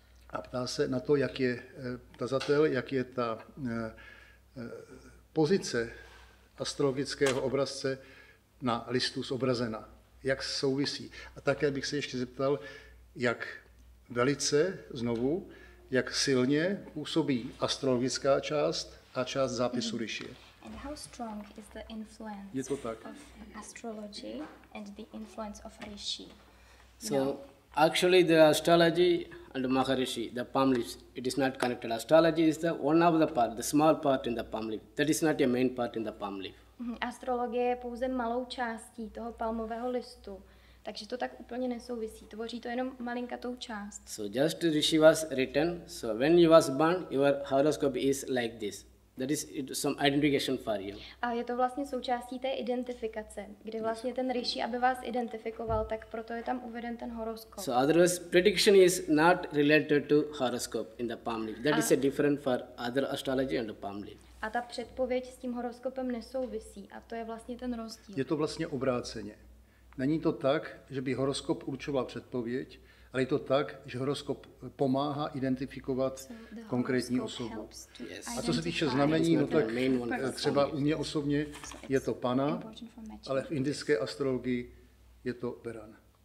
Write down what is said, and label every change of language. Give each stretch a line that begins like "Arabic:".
Czech: A ptá se na to, jak je tazatel, jak je ta pozice astrologického obrazce na listu zobrazena, jak souvisí. A také bych se ještě zeptal, jak velice, znovu, jak silně působí astrologická část a část zápisu rishi.
English: And how strong is the influence of astrology and the influence of rishi? So, actually the astrology and Maharishi, the palm leaves, it is not connected. Astrology is the one of the part, the small part in the palm leaf. That is not a main part in the palm leaf.
Czech: Astrologie je pouze malou částí toho palmového listu, takže to tak úplně nesouvisí. Tvoří to jenom malinkatou část.
English: So just Rishi was written. So when you was born, your horoscope is like this. That is some identification for you.
Czech: A je to vlastně součástí té identifikace, kdy vlastně ten Rishi, aby vás identifikoval, tak proto je tam uveden ten horoskop.
English: So otherwise, prediction is not related to horoscope in the palm leaf. That is a different for other astrology and the palm leaf.
Czech: A ta předpověď s tím horoskopem nesouvisí a to je vlastně ten rozdíl. Je to vlastně obráceně. Není to tak, že by horoskop určoval předpověď, ale je to tak, že horoskop pomáhá identifikovat konkrétní osobu. A co se týče znamení, no tak třeba u mě osobně je to pana, ale v indické astrologii je to beran.